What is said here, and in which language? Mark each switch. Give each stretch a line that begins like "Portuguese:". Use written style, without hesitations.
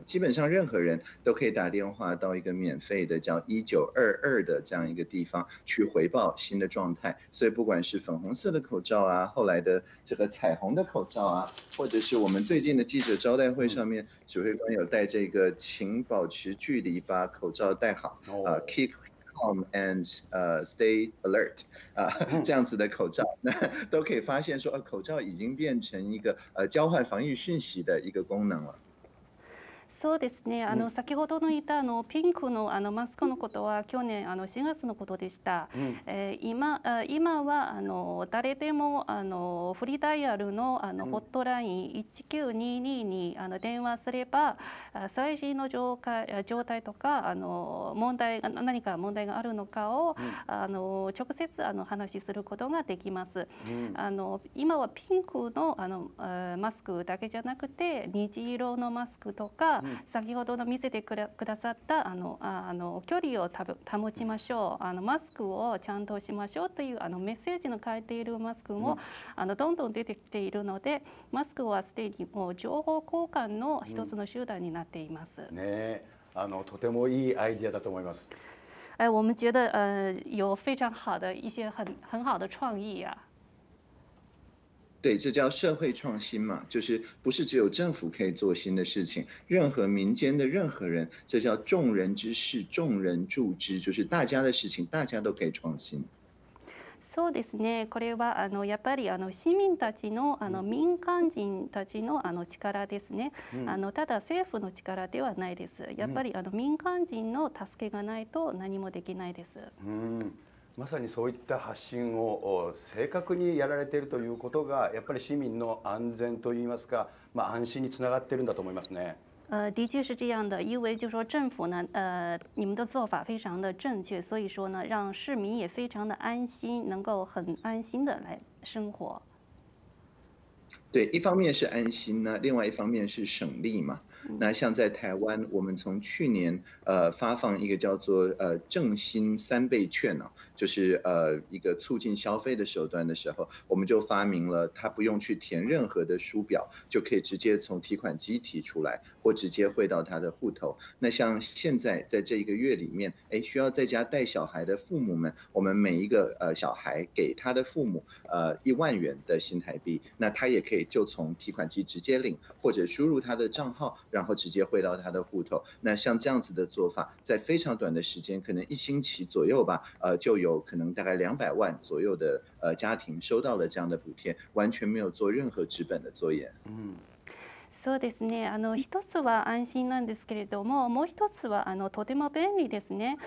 Chinese: 基本上任何人都可以打电话到一个免费的叫1922的这样一个地方去回报新的状态，所以不管是粉红色的口罩啊，后来的这个彩虹的口罩啊，或者是我们最近的记者招待会上面，指挥官有带这个请保持距离，把口罩戴好啊、
English: keep and stay alert
Chinese: 这样子的口罩，那都可以发现说，口罩已经变成一个交换防疫讯息的一个功能了。
Japanese: そうですね。先ほどの言ったピンクのマスクのことは去年4月のことでした。今は誰でもフリーダイヤルのホットライン1922に電話すれば、最新の状態とか問題が何か問題があるのかを直接話しすることができます。今はピンクのマスクだけじゃなくて、虹色のマスクとか、先ほどの見せてくださった距離を保ちましょう、マスクをちゃんとしましょうというメッセージの書いているマスクもどんどん出てきているので、マスクはすでにもう情報交換の一つの手段になっています。ね、とてもいいアイデアだと思います。
Chinese: 我们觉得有非常好的一些 很好的创意啊。对，这叫社会创新嘛，就是不是只有政府可以做新的事情，任何民间的任何人，这叫众人之事，众人助之，就是大家的事情，大家都可以创新。
Japanese: そうですね。これはやっぱり市民たちの民間人たちの力ですね。ただ政府の力ではないです。やっぱり民間人の助けがないと何もできないです。まさにそういった発信を正確にやられているということが、やっぱり市民の安全といいますか、まあ、安心につながっているんだと思いますね。
Chinese: 的确是这样的，因为就是说政府呢，你们的做法非常的正确，所以说呢，让市民也非常的安心，能够很安心的来生活。对，一方面是安心呢，另外一方面是省力嘛。那像在台湾，我们从去年发放一个叫做振兴三倍券呢，就是一个促进消费的手段的时候，我们就发明了它不用去填任何的书表，就可以直接从提款机提出来，或直接汇到他的户头。那像现在在这一个月里面，需要在家带小孩的父母们，我们每一个小孩给他的父母1万元的新台币，那他也可以就从提款机直接领，或者输入他的账号，然后直接汇到他的户头。那像这样子的做法，在非常短的时间，可能1星期左右吧，就有可能大概200万左右的家庭收到了这样的补贴，完全没有做任何纸本的作业。
Japanese: そうですね。一つは安心なんですけれども、もう一つはとても便利ですね。